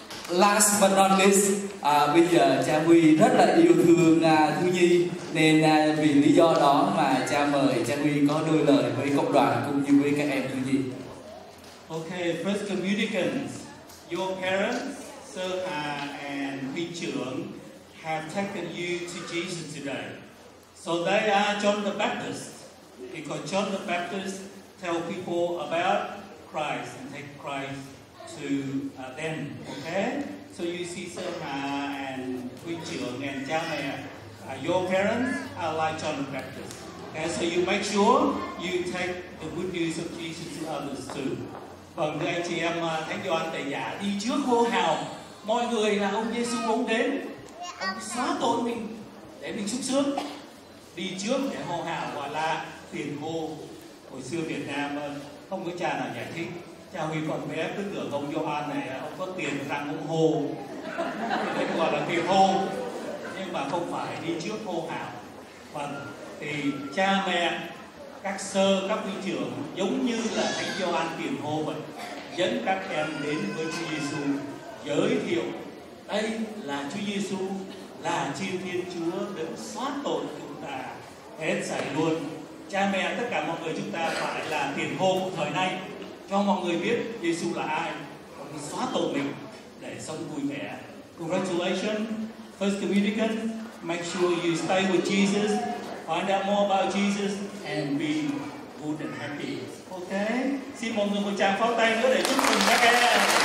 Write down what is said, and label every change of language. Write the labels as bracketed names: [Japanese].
[Vietnamese] Lá [English] but not least, [Vietnamese] bây giờ cha Huy rất là yêu thương Thu Nhi, nên vì lý do đó mà cha mời cha Huy có đôi lời với cộng đoàn cũng như với các em Thu Nhi. [English] Okay, first communicants, your parents, Sơ Hà and Huy Trưởng, have taken you to Jesus today. So they are John the Baptist, because John the Baptist tell people about Christ and take Christ to them, okay? So you see Sơ Hà and Huy Trưởng and [Vietnamese] cha mẹ, [English] your parents are like John the Baptist. Okay, so you make sure you take the good news of Jesus to others too. [Vietnamese] Vâng, thưa anh chị em, Thánh Gioan Tẩy Giả đi trước hô hào mọi người là ông Giê-xu muốn đến, ông xóa tội mình để mình sung sướng, đi trước để hô hào gọi là tiền hô. Hồi xưa Việt Nam không có cha nào giải thích, cha Huy còn bé cứ tưởng ông Gioan này ông có tiền răng ông hô thì gọi là tiền hô, nhưng mà không phải, đi trước hô hào. Vâng, thì cha mẹ, các sơ, các huy trưởng giống như là Thánh Gioan tiền hô vậy, dẫn các em đến với Chúa Giê-xu, giới thiệu đây là Chúa Giê-xu, là chư Thiên Chúa đấng xóa tội chúng ta hết sạch luôn. Cha mẹ, tất cả mọi người chúng ta phải là tiền hô thời nay, cho mọi người biết Giê-xu là ai, còn xóa tội mình để sống vui vẻ. [English] Congratulations, first communicant, make sure you stay with Jesus, find out more about Jesus and be good and happy. Okay? [Vietnamese] Xin mọi người một tràng pháo tay nữa để chúc mừng các em.